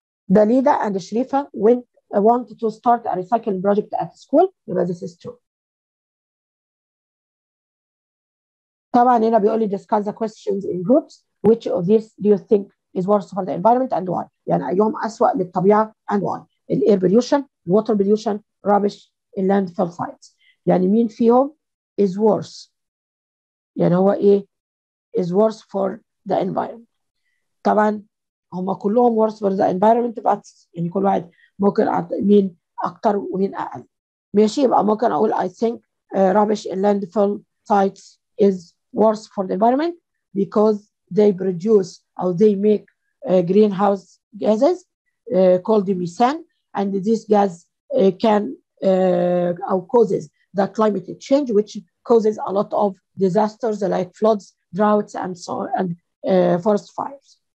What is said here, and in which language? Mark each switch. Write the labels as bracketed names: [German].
[English] Dalida and Sharifa went want to start a recycling project at school. [Arabic] يبقى [English] this is true. [Arabic] طبعا هنا بيقول لي [English] discuss the questions in groups. Which of these do you think is worse for the environment and why? [Arabic] يعني أيهم أسوأ للطبيعة [English] and why? The air pollution, water pollution, rubbish, and landfill sites. [Arabic] يعني مين فيهم [English] is worse. [Arabic] يعني هو إيه [English] is worse for the environment. [Arabic] طبعا هما كلهم [English] worse for the environment but [Arabic] يعني كل واحد ممكن مين أكتر ومين أقل. ماشي يبقى ممكن أقول [English] I think rubbish and landfill sites is worse for the environment because they produce or they make greenhouse gases called methane and this gas can or causes the climate change which causes a lot of disasters like floods, droughts and so on and forest fires.